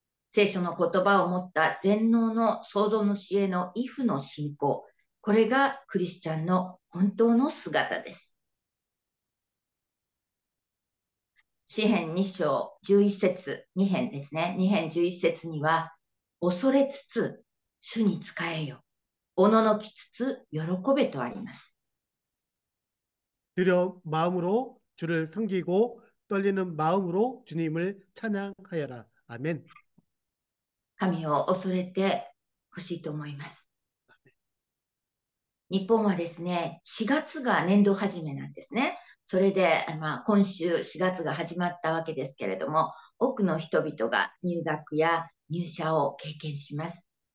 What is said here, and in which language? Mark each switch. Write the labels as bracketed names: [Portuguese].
[Japanese] 聖書の言葉を持った全能の創造主への畏怖の信仰、これがクリスチャンの本当の姿です。詩編2章11節、2編ですね。2編11節には、恐れつつ主に仕えよ、おののきつつ喜べとあります。 [Korean] 두려운 마음으로 주를 섬기고 떨리는 마음으로 주님을 찬양하여라. 아멘. [Japanese] 神を恐れてほしいと思います。日本はですね、4月が年度始めなんですね。それで、まあ、今週4月が始まったわけですけれども、多くの人々が入学や入社を経験します。